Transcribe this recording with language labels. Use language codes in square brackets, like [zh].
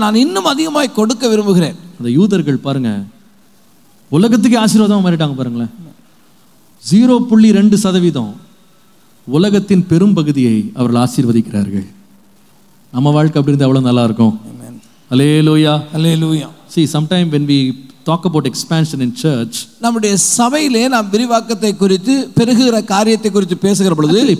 [ta] நான் இன்னும் அதிகமாக கொடுக்க விரும்புகிறேன். அந்த யூதர்கள் பாருங்க, உலகத்துக்கே ஆசீர்வாதமாக மாறிட்டாங்க பாருங்களேன். 0.2% உலகத்தின் பெரும்பகுதியை அவர்கள் ஆசீர்வதிக்கிறார்கள். நம்ம வாழ்க்கை அப்படி இருந்தால் எவ்வளோ நல்லா இருக்கும். அல்லேலூயா, அல்லேலூயா. [en] See, sometime when we talk about expansion in church, [ta] நம்முடைய சபையிலே நாம் விரிவாக்கத்தை குறித்து பெருகுகிற காரியத்தை குறித்து பேசுகிற பொழுது,